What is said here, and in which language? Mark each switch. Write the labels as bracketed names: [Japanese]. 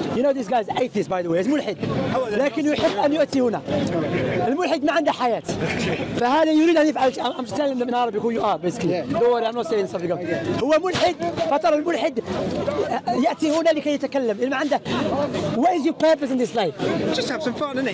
[English] You know this guy's atheist, by the way. He's mulhid. [Arabic] لكن يحب أن يأتي هنا. الملحد ما عنده حياة. فهذا يريد أن يفعل. [English] I'm just telling them in Arabic who you are, basically. Don't worry, I'm not saying something. [Arabic] هو ملحد. فترى الملحد يأتي هنا لكي يتكلم. ما عنده. [English] What is your purpose in this life? Just have some fun, innit?